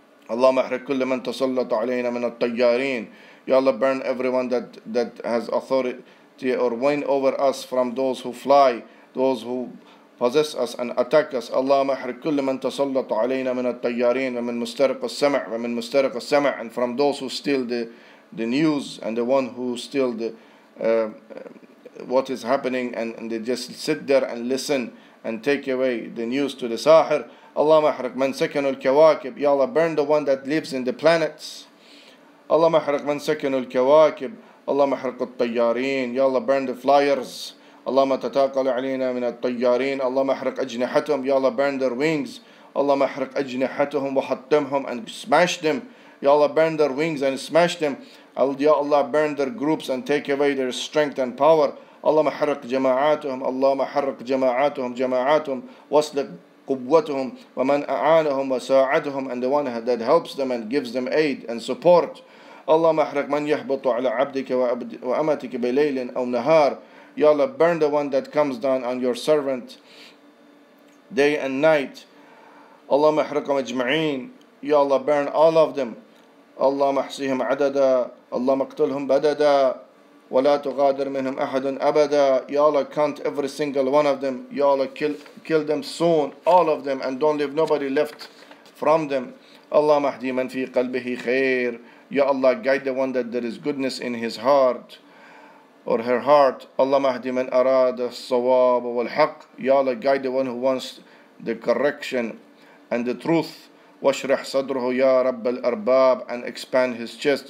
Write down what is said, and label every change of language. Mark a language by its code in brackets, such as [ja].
[ar] اللهم احرق كل من تسلط علينا من الطيارين [en] يا الله burn everyone that has authority or win over us from those who fly those who possess us and attack us [ar] اللهم احرق كل من تسلط علينا من الطيارين ومن مسترق السمع [en] ومن مسترق السمع and from those who steal the news and the one who steal the what is happening and they just sit there and listen and take away the news to the sahir [ar] اللهم احرق من سكن الكواكب [en] يا الله burn the one that lives in the planets [ar] اللهم احرق من سكن الكواكب اللهم احرق الطيارين، [en] يا الله burn the flyers، [ar] اللهم تتاقل علينا من الطيارين، اللهم احرق أجنحتهم، [en] يا الله burn their wings، [ar] اللهم احرق أجنحتهم وحطمهم [en] and smash them، يا الله burn their wings and smash them، يا الله burn their groups and take away their strength and power، [ar] اللهم احرق جماعاتهم، اللهم احرق جماعاتهم، جماعاتهم واسلق قوتهم ومن أعانهم وساعدهم [en] and the one that helps them and gives them aid and support. [ar] اللهم احرق من يهبط على عبدك وأمتك بليل أو نهار. [en] يا الله burn the one that comes down on your servant day and night. [ar] اللهم احرقهم أجمعين. [en] يا الله burn all of them. [ar] اللهم احصيهم عددا. اللهم اقتلهم بددا. ولا تغادر منهم أحد أبدا. [en] يا الله count every single one of them. يا الله kill them soon. All of them and don't leave nobody left from them. [ar] اللهم اهدي من في قلبه خير. [en] Ya Allah, guide the one that there is goodness in his heart or her heart. [ar] Allah mahdi man arad al-sawab wal-haq. [en] Ya Allah, guide the one who wants the correction and the truth. [ar] Washrah sadruhu ya Rabb al-arbab [en] and expand his chest.